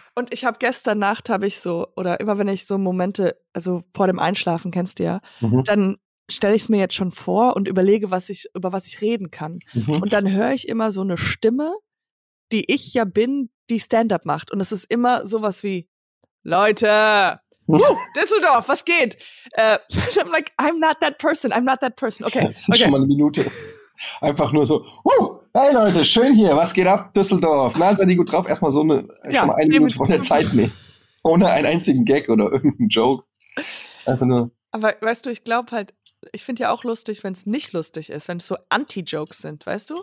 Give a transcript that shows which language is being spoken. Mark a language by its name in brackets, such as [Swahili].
[German] Und ich habe gestern Nacht, oder immer wenn ich so Momente, also vor dem Einschlafen, kennst du ja, dann stelle ich es mir jetzt schon vor und überlege, über was ich reden kann. Mhm. Und dann höre ich immer so eine Stimme, die ich ja bin, die Stand-up macht. Und es ist immer sowas wie, Leute! Düsseldorf, was geht? [English] I'm not that person. [German] Okay. Das ist schon mal eine Minute. Einfach nur so, hey Leute, schön hier, was geht ab, Düsseldorf? Na, seid ihr gut drauf? Erstmal so eine, ja, schon mal eine Minute von der Zeit nehmen. Ohne einen einzigen Gag oder irgendeinen Joke. Einfach nur. Aber weißt du, ich glaube halt, ich finde ja auch lustig, wenn es nicht lustig ist, wenn es so Anti-Jokes sind, weißt du?